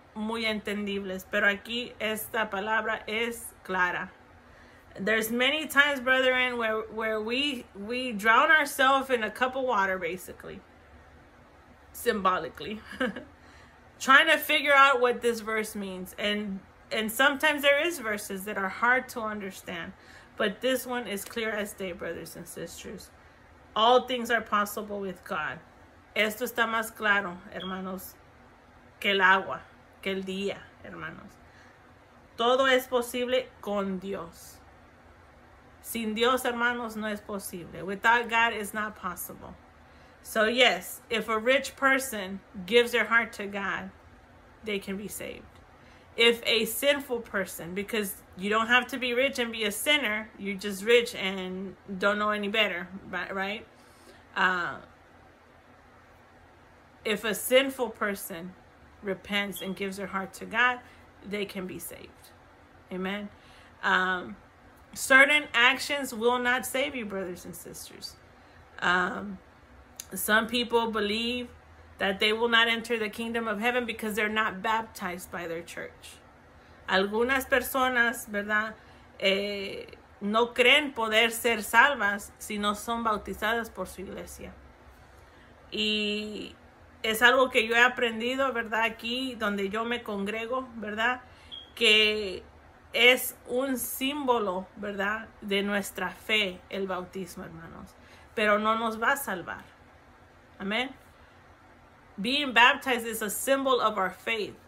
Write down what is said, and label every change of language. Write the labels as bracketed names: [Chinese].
[Spanish] muy entendibles, pero aquí esta palabra es clara. [English] There's many times, brethren, where we drown ourselves in a cup of water, basically, symbolically, trying to figure out what this verse means. And sometimes there is verses that are hard to understand, but this one is clear as day, brothers and sisters. All things are possible with God. [Spanish] Esto está más claro, hermanos, que el agua, que el día, hermanos. Todo es posible con Dios. Sin Dios, hermanos, no es posible. [English] Without God, it's not possible. So yes, if a rich person gives their heart to God, they can be saved. If a sinful person, because you don't have to be rich and be a sinner, you're just rich and don't know any better, right? If a sinful person repents and gives their heart to God, they can be saved. Amen. Certain actions will not save you, brothers and sisters. Some people believe that they will not enter the kingdom of heaven because they're not baptized by their church. [Spanish] Algunas personas, ¿verdad?, no creen poder ser salvas si no son bautizadas por su iglesia. Y es algo que yo he aprendido, ¿verdad?, aquí donde yo me congrego, ¿verdad?, que es un símbolo, ¿verdad?, de nuestra fe, el bautismo, hermanos. Pero no nos va a salvar. Amen. [English] Being baptized is a symbol of our faith.